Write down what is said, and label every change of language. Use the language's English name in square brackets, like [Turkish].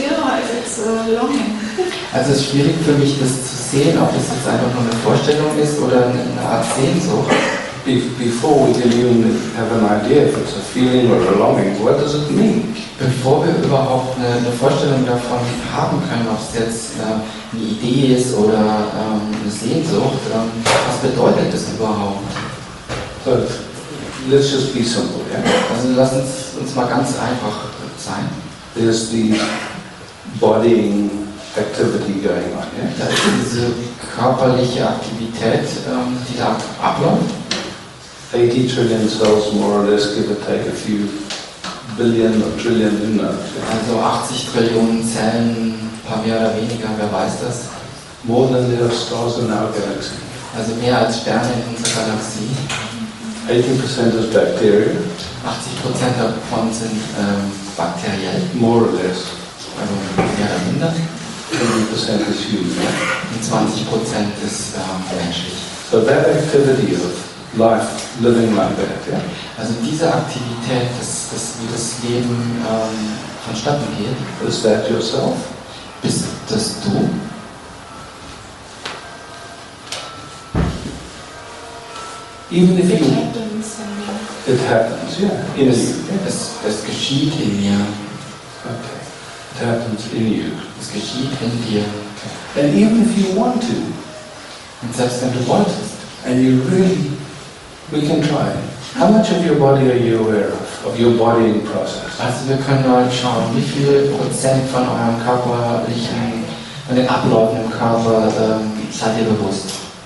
[German] Also es ist schwierig für mich, das zu sehen, ob das jetzt einfach nur eine Vorstellung ist oder eine Art Sehnsucht. [English] Before we can even have an idea if it's a feeling or a longing, what does it mean? [German] Bevor wir überhaupt eine Vorstellung davon haben können, ob es jetzt eine Idee ist oder eine Sehnsucht, was bedeutet das überhaupt? [English] So, let's just be simple, yeah? [German] Also lass uns mal ganz einfach sein. [English] There's the bodying activity going on, yeah? [German] Da ist diese körperliche Aktivität, die da abläuft. [English] 80 trillion cells, more or less, give or take a few billion or trillion in there. [German] Also 80 Trillionen Zellen, paar mehr oder weniger, wer weiß das? [English] More than there are stars in our galaxy. [German] Also mehr als Sterne in unserer Galaxie. [English] 80% is bacteria. [German] 80% davon sind bakteriell. [English] More or less. [German] Also mehr oder minder. [English] 20% is human. [German] Und 20% ist menschlich. [English] So that activity of life, living like that, yeah? [German] Also diese Aktivität, wie das Leben vonstatten geht. [English] Is that yourself? [German] Bist das du? [English] Even if it happens in me. It happens, yeah. In you. [German] Es geschieht in mir. [English] Okay. It happens in you. [German] Es geschieht in dir. [English] And even if you want to. [German] Und selbst wenn du wolltest. [English] And you really. We can try. How much of your body are you aware of your bodying process? [German] Also wir können mal schauen, wie viel Prozent von eurem körperlichen, von den Abläufen im Körper seid ihr bewusst?